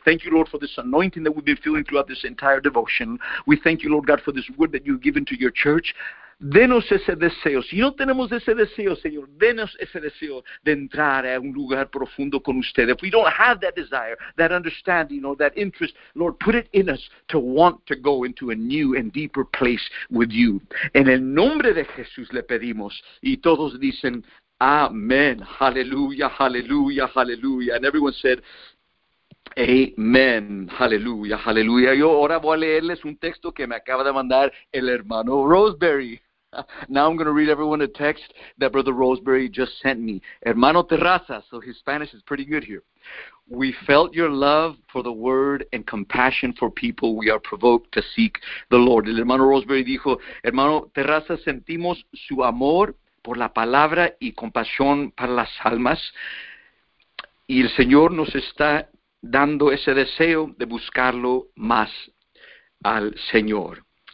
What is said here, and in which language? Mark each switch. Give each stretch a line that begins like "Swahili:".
English: Thank you, Lord, for this anointing that we've been feeling throughout this entire devotion. We thank you, Lord God, for this word that you've given to your church.
Spanish: Denos ese deseo. Si no tenemos ese deseo, Señor, denos ese deseo de entrar a un lugar profundo con usted.
English: If we don't have that desire, that understanding, or that interest, Lord, put it in us to want to go into a new and deeper place with you.
Spanish: En el nombre de Jesús le pedimos. Y todos dicen, amén.
English: Hallelujah, hallelujah, hallelujah. And everyone said, amen. Hallelujah, hallelujah.
Spanish: Yo ahora voy a leerles un texto que me acaba de mandar el hermano Rosemary.
English: Now I'm going to read everyone a text that Brother Rosemary just sent me. Hermano Terraza, so his Spanish is pretty good here. We felt your love for the word and compassion for people. We are provoked to seek the Lord.
Spanish: El hermano Rosemary dijo, hermano Terraza, sentimos su amor por la palabra y compasión para las almas. Y el Señor nos está dando ese deseo de buscarlo más al Señor.